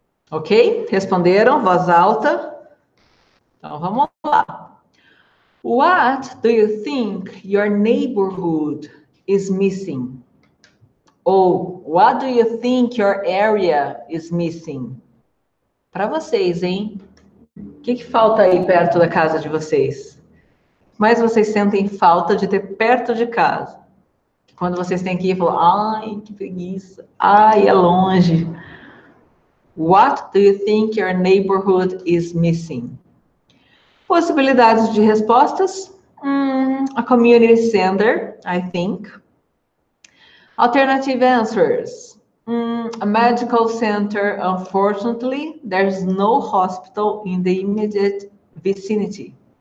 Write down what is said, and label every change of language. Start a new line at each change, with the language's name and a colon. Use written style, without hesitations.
Portuguese: Ok? Responderam, voz alta. Então vamos lá.
English: What do you think your neighborhood is missing? Ou what do you think your area is missing?
Portuguese: Para vocês, hein? O que que falta aí perto da casa de vocês? Mas vocês sentem falta de ter perto de casa? Quando vocês têm que ir, falam, ai, que preguiça. Ai, é longe.
English: What do you think your neighborhood is missing?
Portuguese: Possibilidades de respostas?
English: A community center, I think. Alternative answers. A medical center, unfortunately, there's no hospital in the immediate vicinity.